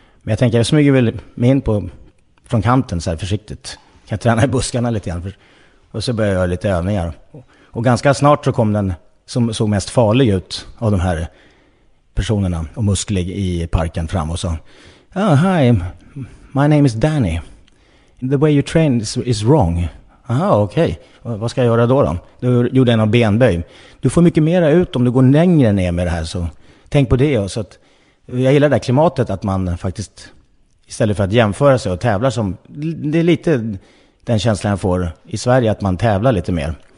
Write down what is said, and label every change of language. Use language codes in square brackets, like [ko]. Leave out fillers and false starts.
[sv] Men jag tänker, jag smyger väl mig in på, från kanten så här försiktigt. Kan jag träna i buskarna lite grann? Och så började jag göra lite övningar. Och ganska snart så kom den som såg mest farlig ut av de här personerna och musklig i parken fram och sa: [en] "Oh, hi, my name is Danny. The way you train is wrong." [sv] "Aha, okej. Okay. Vad ska jag göra då då?" "Då gjorde jag en benböj." "Du får mycket mera ut om du går längre ner med det här, så tänk på det." Så att, jag gillar det här klimatet att man faktiskt, istället för att jämföra sig och tävla som, det är lite den känslan jag får i Sverige, att man tävlar lite mer.